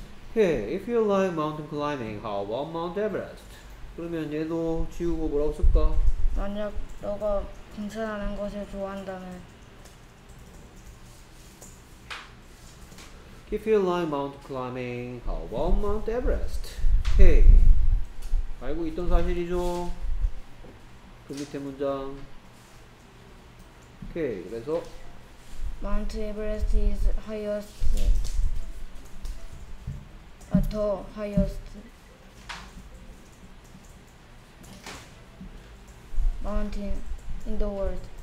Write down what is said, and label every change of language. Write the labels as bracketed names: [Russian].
[English] Okay, if you like mountain climbing, how about Mount Everest? [Korean] 그러면 얘도 지우고 뭐라고 쓸까? 만약 너가 등산하는 것을 좋아한다면 [English] If you like mountain climbing, how about Mount Everest? [Korean] Okay, 알고 있던 사실이죠? 그 밑에 문장 Okay, 그래서 [English] Mount Everest is highest The highest mountain in the world.